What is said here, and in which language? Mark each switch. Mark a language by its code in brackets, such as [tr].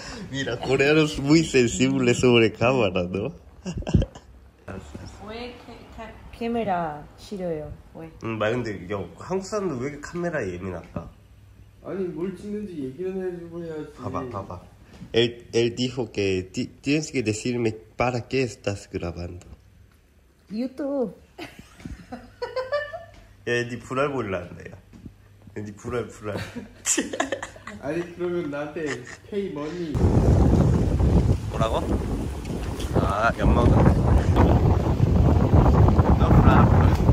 [es] 미라, 코레아노스 muy sensible sobre cámara, ¿no? [ko] 왜 카메라 싫어요? 왜? 근데 야, 한국 사람들 왜 카메라 예민할까? 아니, 뭘 찍는지 얘기는 해줘야지. 봐봐, 봐봐. [es] Él dijo que tienes que decirme para qué estás grabando. YouTube. [ko] 야, 네 불알 보일라는데, 야. 야, 네 불알, 불알. 아니, 그러면 나한테 [en] pay money. [ko] 뭐라고? 아, 엿먹어. [en] No problem.